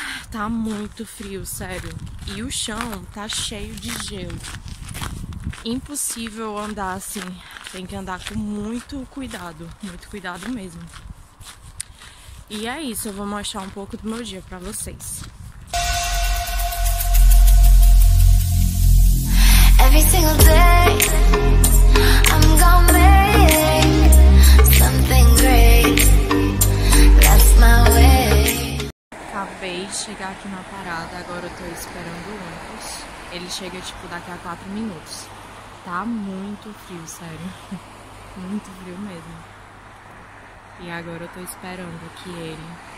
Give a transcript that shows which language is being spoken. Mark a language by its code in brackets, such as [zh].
[pt] Tá muito frio, sério, e o chão tá cheio de gelo. Impossível andar assim, tem que andar com muito cuidado mesmo. E é isso, eu vou mostrar um pouco do meu dia pra vocês. [en] Every single day I'm gonna make something great. That's my way. [pt] Acabei de chegar aqui na parada, agora eu tô esperando o ônibus. Ele chega tipo daqui a 4 minutos. Tá muito frio, sério. Muito frio mesmo. E agora eu tô esperando que ele...